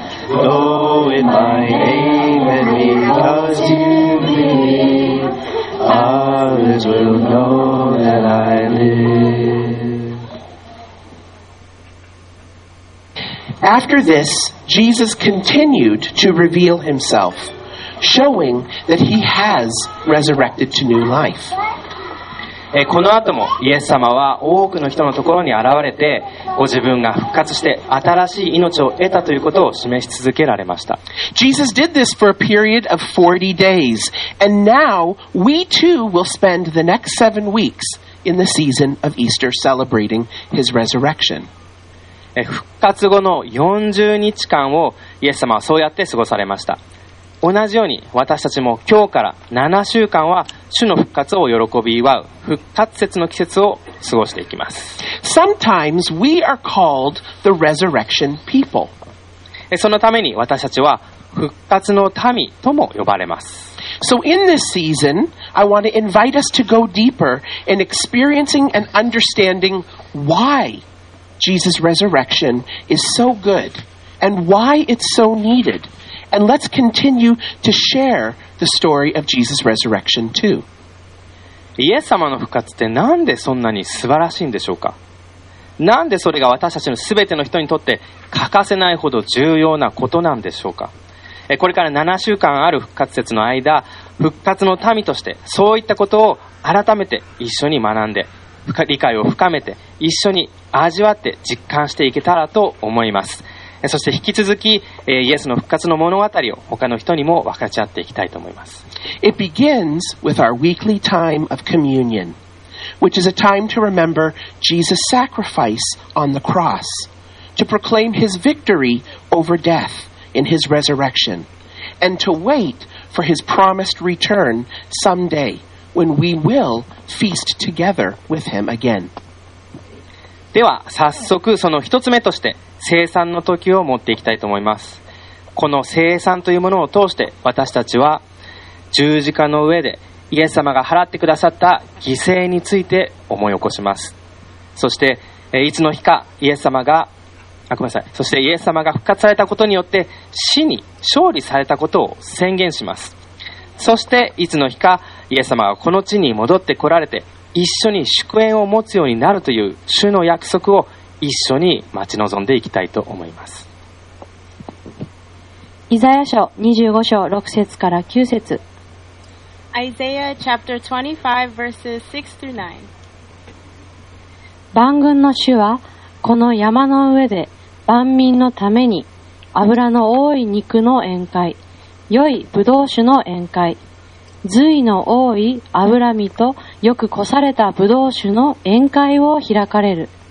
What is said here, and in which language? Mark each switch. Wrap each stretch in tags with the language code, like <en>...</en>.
<en>Though in my name,Because you believe, others will know that I live. After this, Jesus continued to reveal himself, showing that he has resurrected to new life.</en> <ja>この後もイエス様は多くの人のところに現れて、ご自分が復活して新しい命を得たということを示し続けられました。</ja> <en>Jesus did this for a period of 40 days, and now we too will spend the next 7 weeks in the season of Easter celebrating his resurrection.</en> <ja>復活後の40日間をイエス様はそうやって過ごされました。同じように私たちも今日から7週間は主の復活を喜び祝う復活節の季節を過ごしていきます。</ja> <en>Sometimes we are called the resurrection people.</en> <ja>そのために私たちは復活の民とも呼ばれます。</ja> <en>So in this season I want to invite us to go deeper in experiencing and understanding why Jesus' resurrection is so good and why it's so neededAnd let's continue to share the story of Jesus' resurrection too.</en> <ja>イエス様の復活ってなんでそんなに素晴らしいんでしょうか？なんでそれが私たちのすべての人にとって欠かせないほど重要なことなんでしょうか？これから7週間ある復活節の間、復活の民としてそういったことを改めて一緒に学んで、理解を深めて一緒に味わって実感していけたらと思います。そして引き続き、イエスの復活の物語を他の人にも分かち合っていきたいと思います。</ja> <en>It begins with our weekly time of communion, which is a time to remember Jesus' sacrifice on the cross, to proclaim his victory over death in his resurrection, and to wait for his promised return someday when we will feast together with him again.</en> <ja>では早速その一つ目として聖餐の時を持っていきたいと思います。この聖餐というものを通して私たちは十字架の上でイエス様が払ってくださった犠牲について思い起こします。そしていつの日かイエス様がそしてイエス様が復活されたことによって死に勝利されたことを宣言します。そしていつの日かイエス様がこの地に戻ってこられて一緒に祝宴を持つようになるという主の約束を一緒に待ち望んでいきたいと思います。イザヤ書25章6節から9節</ja> <en>Isaiah chapter 25 verses 6 through</en> <ja>9。万軍の主はこの山の上で万民のために油の多い肉の宴会、良いブドウ酒の宴会、髄の多い油身とよくこされたブドウ酒の宴会を開かれる。</ja>